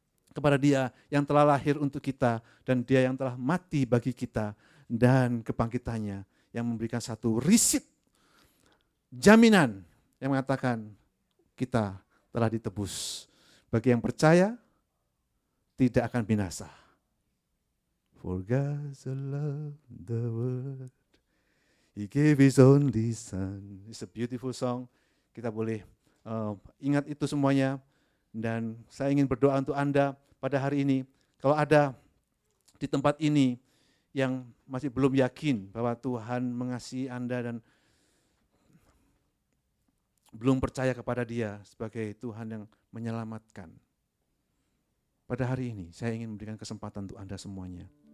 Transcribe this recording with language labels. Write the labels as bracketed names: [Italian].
[Indonesian] Kepada dia yang telah lahir untuk kita dan dia yang telah mati bagi kita. Dan kebangkitannya yang memberikan satu risit jaminan yang mengatakan kita telah ditebus. Bagi yang percaya, tidak akan binasa. [English] For God so loved the world, He gave His only Son. It's a beautiful song. [Indonesian] Kita boleh ingat itu semuanya. Dan saya ingin berdoa untuk Anda pada hari ini. Kalau ada di tempat ini yang masih belum yakin bahwa Tuhan mengasihi Anda dan belum percaya kepada dia sebagai Tuhan yang menyelamatkan. Pada hari ini, saya ingin memberikan kesempatan untuk Anda semuanya.